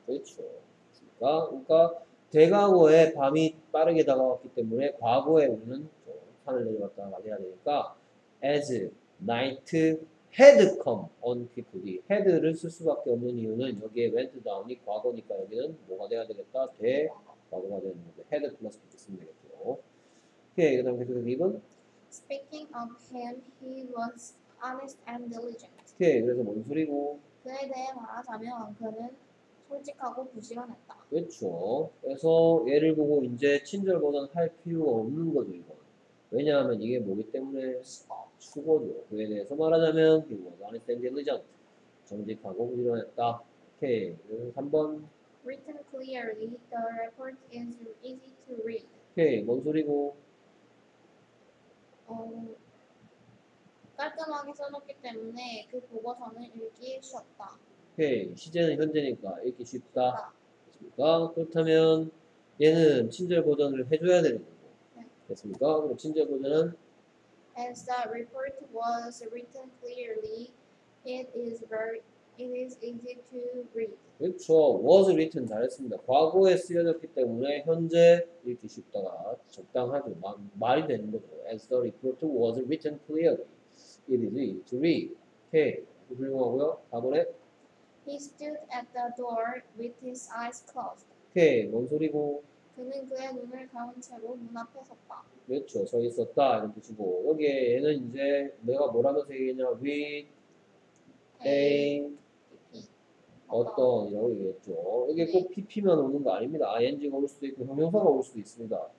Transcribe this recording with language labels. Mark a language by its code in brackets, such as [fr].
[ko] 그렇죠. 그러니까 대과거에 밤이 빠르게 다가왔기 때문에 과거에 우리는 산을 내려갔다 말해야 되니까 [en] as night had come on quickly. [ko] had를 쓸 수밖에 없는 이유는 여기에 went down이 과거니까 여기는 뭐가 돼야 되겠다? 대 과거가 되는 건데 head plus 이렇게 쓰면 되겠죠. 오케이, 그 다음 계속해서 2번. [en] Speaking of him, he was honest and diligent. [ko] 오케이, 그래서 뭔 소리고? 그에 대해 말하자면 그는 솔직하고 부지런했다. 그렇죠. 그래서 얘를 보고 이제 친절 버전 할 필요가 없는 거죠, 이건. 왜냐하면 이게 뭐기 때문에 수고죠. 그에 대해서 말하자면 [en] he was honest and diligent. [ko] 정직하고 부지런했다. 오케이, 3번. [en] Written clearly, the report is easy to read. [ko] 오케이, 뭔 소리고? 깔끔하게 써놓기 때문에 그 보고서는 읽기 쉽다. 오케이, 시제는 현재니까 읽기 쉽다. 됐습니까? 그렇다면 얘는 친절 보전을 해줘야 되는 거고. 됐습니까? 네. 그럼 친절 보전은? [en] As the report was written clearly, it is easy to read. [ko] 그렇죠. was written 잘했습니다. 과거에 쓰여졌기 때문에 현재 읽기 쉽다가 적당하죠. 말이 되는 거죠. [en] As the report was written clearly, it is easy to read. [ko] 오케이. 훌륭하고요. 4번에. [en] He stood at the door with his eyes closed. [ko] 오케이. 뭔 소리고? 그는 그의 눈을 감은 채로 문 앞에 섰다. 그렇죠. 서 있었다. 이런 뜻이고. 여기에 얘는 이제 내가 뭐라면서 얘기했냐. with A, 어떤, 이라고 얘기했죠. 이게 꼭 PP만 오는 거 아닙니다. ING가 올 수도 있고, 형용사가 올 수도 있습니다.